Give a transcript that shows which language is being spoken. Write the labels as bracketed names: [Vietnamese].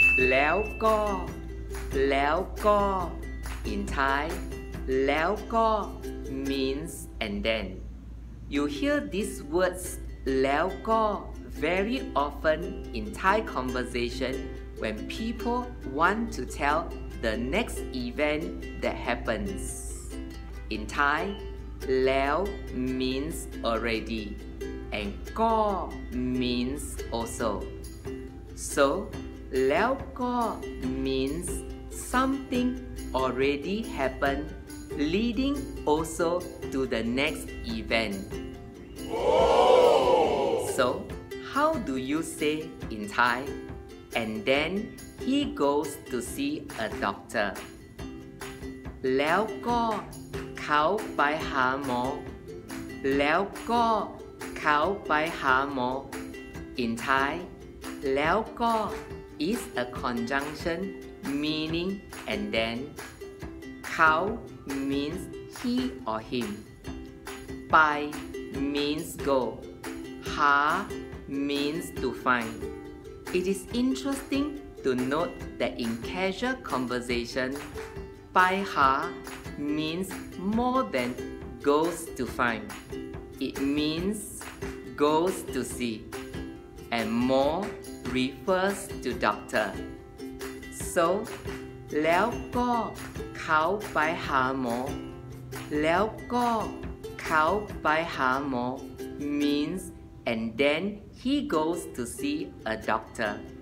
[English] แล้วก็แล้วก็ In Thai, แล้วก็ means and then. You hear these words แล้วก็ very often in Thai conversation when people want to tell the next event that happens. In Thai, แล้ว means already. And go means also. So, แล้วก็ means something already happened, leading also to the next event. So, how do you say in Thai? And then he goes to see a doctor. [Thai] แล้วก็เขาไปหาหมอ แล้วก็เขาไปหาหมอ [English] In Thai, แล้วก็ is a conjunction meaning and then. เขา means he or him. ไป means go. หา means to find. It is interesting to note that in casual conversation, ไปหา means more than goes to find. It means. Goes to see, and more refers to doctor. So, [Thai] แล้วก็เขาไปหาหมอ แล้วก็เขาไปหาหมอ [English] means and then he goes to see a doctor.